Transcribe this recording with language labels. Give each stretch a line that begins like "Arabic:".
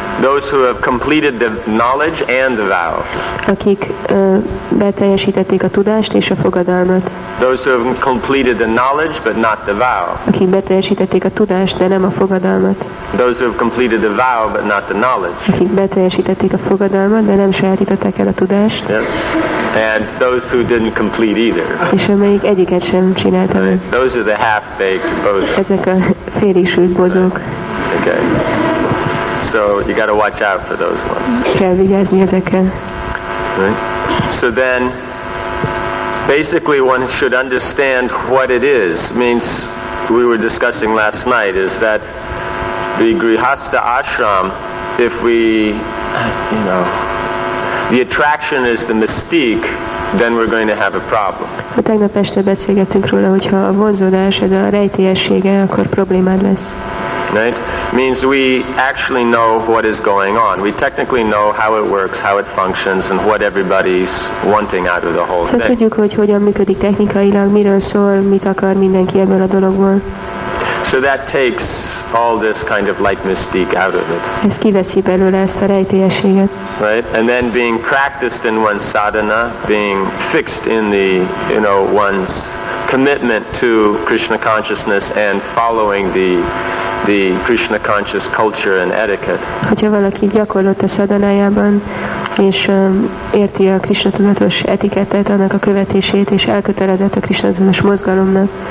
English: Those who have completed the knowledge and the vow.
Hungarian: Akik beteljesítették a tudást és a fogadalmat.
English: Those who have completed the knowledge but not the vow.
Hungarian: Akik beteljesítették a tudást, de nem a fogadalmat.
English: Those who have completed the vow but not the knowledge.
Hungarian: Akik beteljesítették a fogadalmat, de nem sajátították el a tudást.
English: Yeah. And those who didn't complete either.
Hungarian: És amelyik egyiket sem csinálta.
English: Right. Those are the half-baked bozos.
Hungarian: Ezek a félig sült bozók.
English: Okay. So you got to watch out for those ones.
Hungarian: Kell vigyázni ezekre.
English: So then, basically, one should understand what it is. Means we were discussing last night is that the grihastha ashram, if we, you know, the attraction is the mystique, then we're going to have a problem.
Hungarian: Ha tegnap este beszélgettünk róla, hogyha a vonzódás ez a rejtélyessége, akkor problémád lesz.
English: Right? Means we actually know what is going on. We technically know how it works, how it functions, and what everybody's wanting out of the whole thing.
Hungarian: So tudjuk, hogy hogyan működik technikailag, miről szól, mit akar mindenki ebből a dologból.
English: So that takes all this kind of light mystique out of it.
Hungarian: Ez kiveszi belőle ezt a rejtélyességet.
English: Right? And then being practiced in one's sadhana, being fixed in the, you know, one's commitment to Krishna consciousness and following the Krishna conscious culture and etiquette.
Hungarian: Hogyha valaki gyakorlott a szadanájában, és érti a Krishna tudatos etikettet, annak a követését, és elkötelezett a Krishna tudatos mozgalomnak.